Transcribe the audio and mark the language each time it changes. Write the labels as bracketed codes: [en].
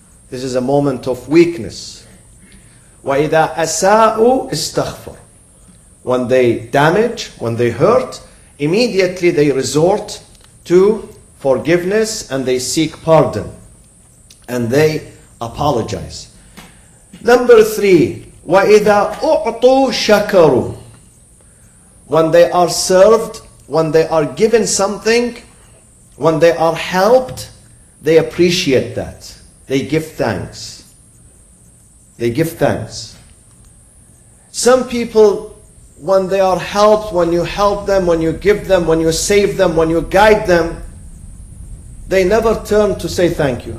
[en] This is a moment of weakness. [ar] وَإِذَا أَسَاءُوا اِسْتَغْفَرُ. [en] When they damage, when they hurt, immediately they resort to forgiveness and they seek pardon and they apologize. Number three, [ar] وَإِذَا أُعْطُوا شَكَرُوا. [en] When they are served, when they are given something, when they are helped, they appreciate that. They give thanks. They give thanks. Some people, when they are helped, when you help them, when you give them, when you save them, when you guide them, they never turn to say thank you.